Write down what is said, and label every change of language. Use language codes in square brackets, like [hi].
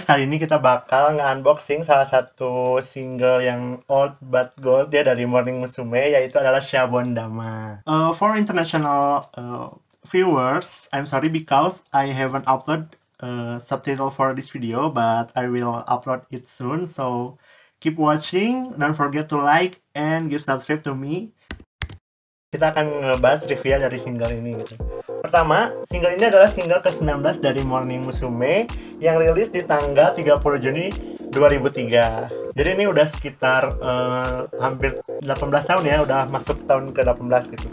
[id] Kali ini kita bakal nge-unboxing salah satu single yang [en] old but gold [id] ya dari Morning Musume, yaitu adalah Shabon Dama. [en] For international viewers, I'm sorry because I haven't uploaded subtitle for this video, but I will upload it soon, so keep watching, don't forget to like, and give subscribe to me. [id] Kita akan ngebahas review dari single ini. Pertama, single ini adalah single ke-19 dari Morning Musume yang rilis di tanggal 30 Juni 2003. Jadi ini udah sekitar hampir 18 tahun ya, udah masuk tahun ke-18 gitu.